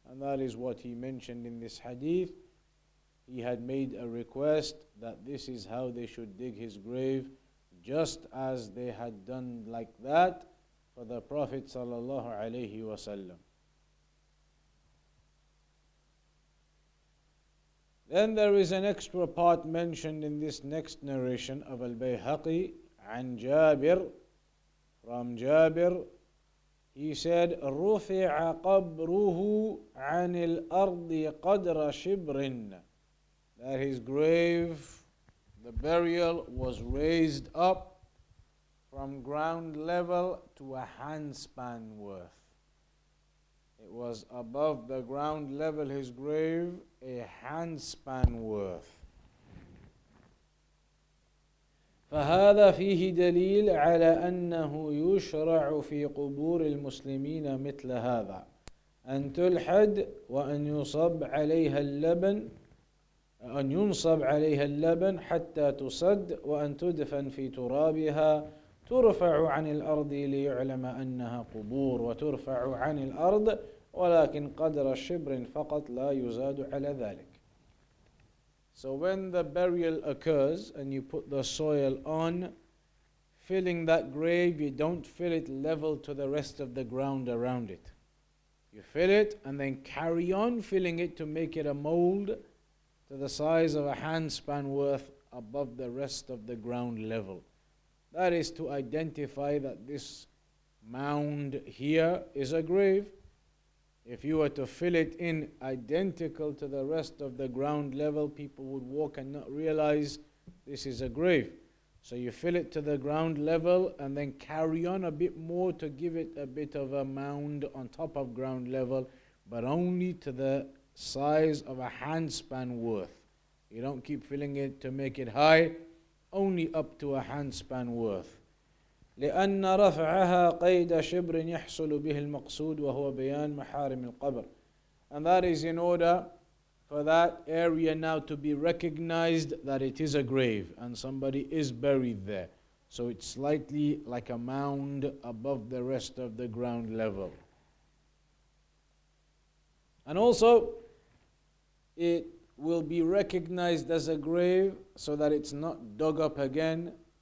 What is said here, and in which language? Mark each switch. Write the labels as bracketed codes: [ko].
[en] And that is what he mentioned in this hadith. He had made a request that this is how they should dig his grave, just as they had done like that for the Prophet sallallahu alayhi wa sallam. Then there is an extra part mentioned in this next narration of Al-Bayhaqi, [ar] عن جابر, [en] from Jabir. He said, [ar] رفع قبره عن الأرض قدر شبر. [en] That his grave, the burial, was raised up from ground level to a handspan worth. It was above the ground level, his grave, a handspan worth. [ar] فهذا فيه دليل على أنه يشرع في قبور المسلمين مثل هذا أن تلحد وأن يصب عليها اللبن أن ينصب عليها اللبن حتى تسد وأن تدفن في ترابها ترفع عن الأرض ليعلم أنها قبور وترفع عن الأرض ولكن قدر شبر فقط لا يزاد على ذلك. [en] So when the burial occurs and you put the soil on, filling that grave, you don't fill it level to the rest of the ground around it. You fill it and then carry on filling it to make it a mold to the size of a handspan worth above the rest of the ground level. That is to identify that this mound here is a grave. If you were to fill it in identical to the rest of the ground level, people would walk and not realize this is a grave. So you fill it to the ground level and then carry on a bit more to give it a bit of a mound on top of ground level, but only to the size of a handspan worth. You don't keep filling it to make it high, only up to a handspan worth. [ar] لأن رفعها قيد شبر يحصل به المقصود وهو بيان محارم القبر. [en] And that is in order for that area now to be recognized that it is a grave and somebody is buried there. So it's slightly like a mound above the rest of the ground level. And also it will be recognized as a grave so that it's not dug up again.